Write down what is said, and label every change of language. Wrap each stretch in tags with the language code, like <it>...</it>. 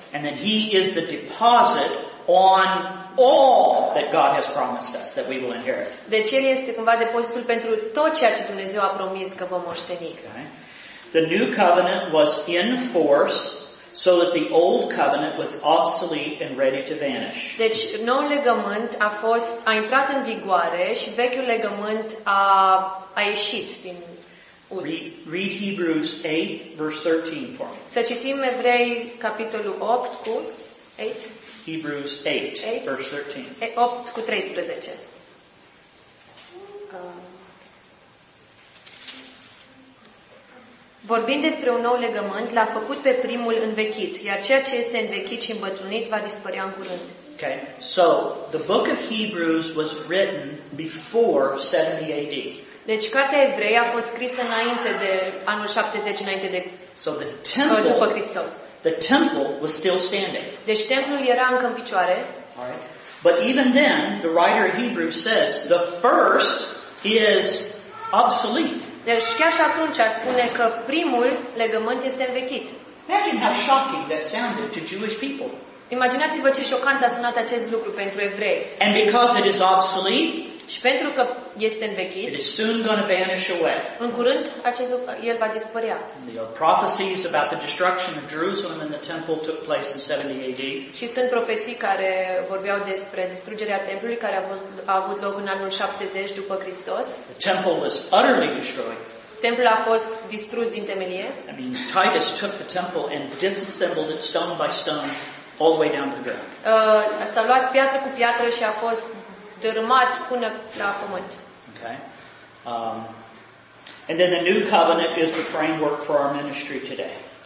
<en>And then he is the deposit on all that God has promised us that we will inherit.</en> <ro>Deci el este cumva depozitul pentru tot ceea ce Dumnezeu a promis că vom moșteni.</ro> <en>Okay. The new covenant was in force so that the old covenant was obsolete and ready to vanish.</en> <ro>Deci noul legământ a intrat în vigoare și vechiul legământ a ieșit din ud.</ro> <en>Read Hebrews 8 verse 13 for me.</en> <ro>Să citim Evrei capitolul 8 cu 8.</ro> <en>Hebrews 8, 8 verse 13.</en> <ro>8 cu 13. Vorbind despre un nou legământ, l-a făcut pe primul învechit, iar ceea ce este învechit și îmbătrânit va dispărea în curând.</ro> <en>Okay. So, the book of Hebrews was written before 70 AD.</en> <ro>Deci cartea Evrei a fost scrisă înainte de anul 70 înainte de</ro> <en>so the temple,</en> <ro>după Hristos.</ro> <en>The temple was still standing.</en> <ro>Deci templul era încă în picioare.</ro> <en>All right. But even then, the writer of Hebrews says the first is obsolete.</en> <ro>Deci chiar și atunci spune că primul legământ este învechit.</ro> <en>Imagine how shocking that sounded to Jewish people.</en> <ro>Imaginați-vă ce șocant a sunat acest lucru pentru evrei.</ro> <en>And because it is obsolete,</en> <ro>și pentru că este învechit,</ro> <en>it is soon going to vanish away.</en> <ro>În curând acest lucru el va dispărea.</ro> <en>The prophecies about the destruction of Jerusalem and the temple took place in 70 AD.</en> <ro>Și sunt profeții care vorbeau despre distrugerea templului care a avut loc în anul 70 după Hristos.</ro> <en>The temple was utterly destroyed.</en> <ro>Templul a fost distrus din temelie.</ro> <en>I mean, Titus took the temple and disassembled it stone by stone all the way down to the ground.</en> <ro>S-a luat piatră cu piatră și a fost dărâmat până la pământ.</ro> <en>Okay. And then the new covenant is the framework for our ministry today.</en>